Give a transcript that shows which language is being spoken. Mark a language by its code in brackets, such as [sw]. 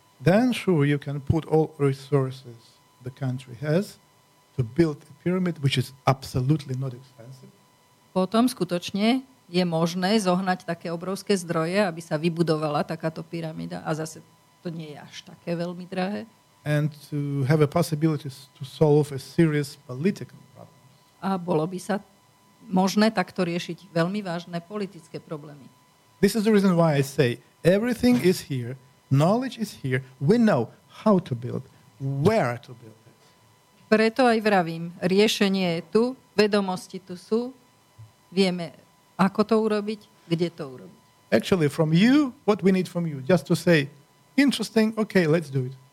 [en] Then sure you can put all resources the country has to build a pyramid which is absolutely not expensive. [sk] Potom skutočne je možné zohnať také obrovské zdroje, aby sa vybudovala takáto pyramída a zase to nie je až také veľmi drahé. [en] And to have a possibility to solve a serious political problem. [sk] A bolo by sa možné takto riešiť veľmi vážne politické problémy. [en] This is the reason why I say everything is here, knowledge is here, we know how to build, where to build. [sk] Preto aj vravím, riešenie je tu, vedomosti tu sú, vieme, ako to urobiť, kde to urobiť. [en] Actually, from you, what we need from you, just to say, interesting, okay, let's do it.